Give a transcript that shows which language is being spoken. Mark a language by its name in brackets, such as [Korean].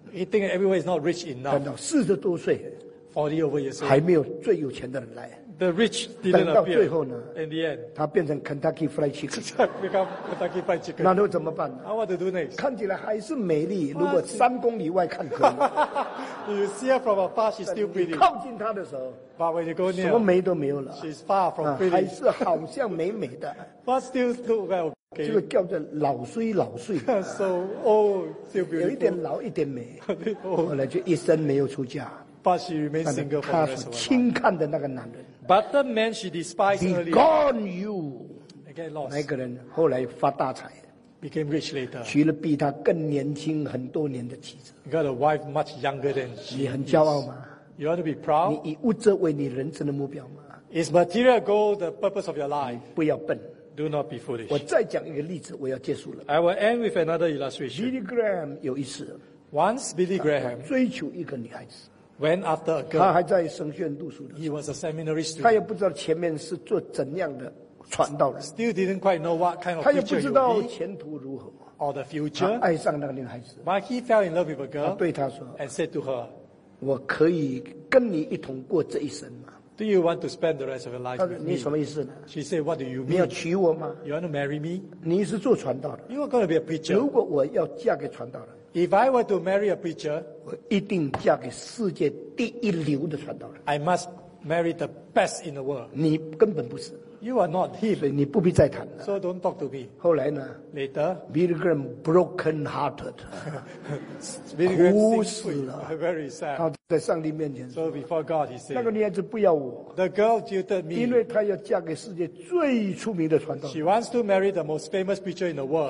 [English] He think everyone is not rich enough. [Chinese] 等到四十多岁。 [English] 40 over years old. [Chinese] 还没有最有钱的人来。 [English] The rich didn't appear. [Chinese] 等到最后呢。 [English] In the end. [Chinese] 他变成 Kentucky Fried Chicken. [English] Become Kentucky Fried Chicken. [Chinese] 然后怎么办 [English] ？I want to do next. [Chinese] 看起来还是美丽，如果三公里外看可以。 [English] You see her from afar, she's still pretty. [Chinese] 靠近她的时候。 [English] But when you go near, [Chinese] 什么美都没有了。 [English] She's far from pretty. [Chinese] 还是好像美美的。 [English] But still look well. [Chinese] 这个叫做老衰老衰。 [English] So old, still beautiful. [Chinese] 有一点老，一点美。后来就一生没有出嫁。 [English] But she remains single for the rest of her life. [Chinese] 她轻看的那个男人。 [English] But the man she despised earlier. Be gone, you. Get lost. [Chinese] 那个人后来发大财。 [English] Became rich later. [Chinese] 娶了比他更年轻很多年的妻子。 [English] Got a wife much younger than she. [Chinese] 你很骄傲吗？ [English] You ought to be proud. [Chinese] 你以物质为你人生的目标吗？ [English] Is material goal the purpose of your life? [Chinese] 不要笨。 [English] Do not be foolish. [Chinese] 我再讲一个例子，我要结束了。 [English] I will end with another illustration. [Chinese] Billy Graham 有一次。 [English] Once Billy Graham [Chinese] 追求一个女孩子。 [English] When after a girl, [Chinese] 他还在神学院读书的。 [English] He was a seminary student. [Chinese] 他也不知道前面是做怎样的传道人。 [English] Still didn't quite know what kind of future you'll be. [Chinese] 他也不知道前途如何。 [English] Or the future. [Chinese] 爱上那个女孩子。 [English] But he fell in love with a girl. [Chinese] 他对他说。 [English] And said to her, [Chinese] 我可以跟你一同过这一生吗？ [English] Do you want to spend the rest of your life with me? [Chinese] 你什么意思呢？ [English] She said, What do you mean? [Chinese] 你要娶我吗？ [English] You want to marry me? [Chinese] 你是做传道的。 [English] You are going to be a preacher. [Chinese] 如果我要嫁给传道人。 [English] If I were to marry a preacher, [Chinese] 我一定嫁给世界第一流的传道人。 [English] I must marry the best in the world. [Chinese] 你根本不是。 [English] You are not him. [Chinese] 所以你不必再谈了。 [English] So don't talk to me. [Chinese] 后来呢 [English] ？Later. Billy Graham broken hearted. Billy Graham [Chinese] 哭死了。 [English] Very sad. [Chinese] 他在上帝面前说。 [English] So before God, he said. [Chinese] 那个女孩子不要我。 [English] The girl jilted me. [Chinese] 因为她要嫁给世界最出名的传道。 [English] She wants to marry the most famous preacher in the world.